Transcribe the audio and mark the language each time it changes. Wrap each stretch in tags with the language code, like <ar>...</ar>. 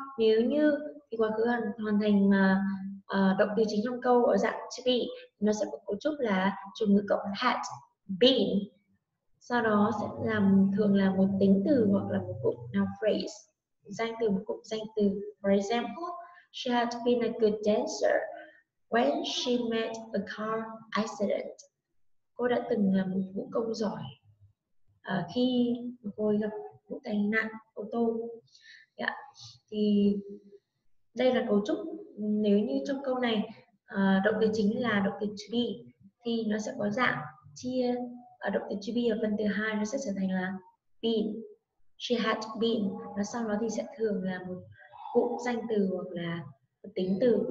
<vi>Nếu như thì quá khứ hoàn thành mà động từ chính trong câu ở dạng to be, nó sẽ có cấu trúc là chủ ngữ cộng had been, sau đó sẽ làm thường là một tính từ hoặc là một cụm noun phrase, danh từ, một cụm danh từ.</vi> <en>For example, she had been a good dancer when she met a car accident.</en> <vi>Cô đã từng là một vũ công giỏi khi cô gặp vụ tai nạn ô tô. Thì đây là cấu trúc. Nếu như trong câu này động từ chính là động từ to be thì nó sẽ có dạng chia động từ to be ở phần thứ hai, nó sẽ trở thành là been,</vi> <en>she had been,</en> <vi>và sau đó thì sẽ thường là một cụm danh từ hoặc là một tính từ.</vi>